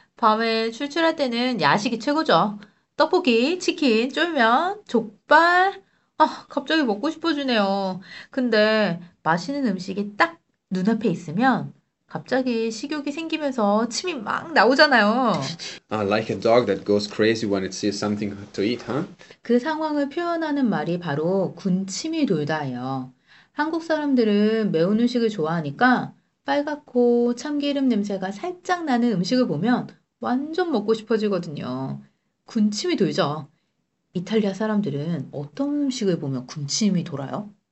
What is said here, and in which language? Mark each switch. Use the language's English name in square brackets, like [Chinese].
[Korean] 밤에 출출할 때는 야식이 최고죠. 떡볶이, 치킨, 쫄면, 족발. 아, 갑자기 먹고 싶어지네요. 근데 맛있는 음식이 딱 눈앞에 있으면 갑자기 식욕이 생기면서 침이 막 나오잖아요. [English] Like a dog that goes crazy when it sees something to eat, huh? [Korean] 그 상황을 표현하는 말이 바로 군침이 돌다예요. 한국 사람들은 매운 음식을 좋아하니까 빨갛고 참기름 냄새가 살짝 나는 음식을 보면 완전 먹고 싶어지거든요. 군침이 돌죠. 이탈리아 사람들은 어떤 음식을 보면 군침이 돌아요?